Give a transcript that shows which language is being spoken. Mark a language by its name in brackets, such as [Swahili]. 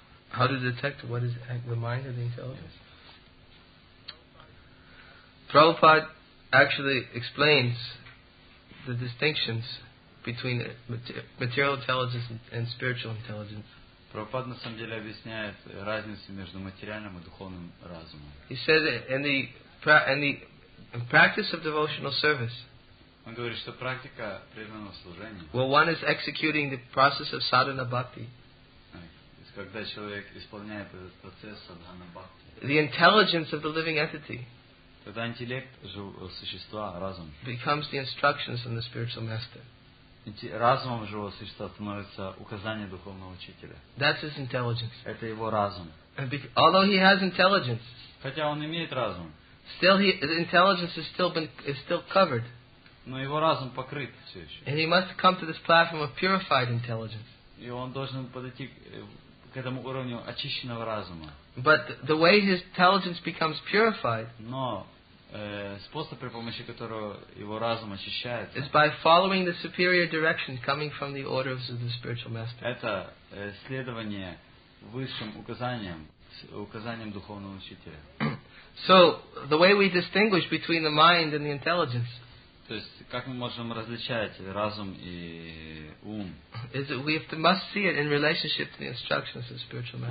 [English] How to detect what is the mind or the intelligence? Yes. Prabhupada actually explains the distinctions between material intelligence and spiritual intelligence. [Russian] Прабхупада на самом деле объясняет разницу между материальным и духовным разумом. [English] He said in the practice of devotional service. [Russian] Он говорит, что практика преданного служения. [English] Well, one is executing the process of sadhana bhakti. [Russian] Когда человек исполняет этот процесс sadhana bhakti. [English] The intelligence of the living entity. [Russian] Тогда интеллект существа, разум. [English] Becomes the instructions from the spiritual master. [Russian] Разумом живого существа становится указание духовного учителя. [English] That's his intelligence. [Russian] Это его разум. [English] Although he has intelligence. [Russian] Хотя он имеет разум. [English] Still the intelligence is still covered. [Russian] Но его разум покрыт все еще. [English] And he must come to this platform of purified intelligence. [Russian] И он должен подойти к этому уровню очищенного разума. [English] But the way his intelligence becomes purified. [Russian] Но способ, при помощи которого его разум очищается, [English] is by following the superior direction coming from the orders of the spiritual master. [Russian] Это следование высшим указаниям духовного учителя. [English] So the way we distinguish between the mind and the intelligence. [Russian] То есть как мы можем различать разум и ум? [English] Is that we must see it in relationship to the instructions of the spiritual master.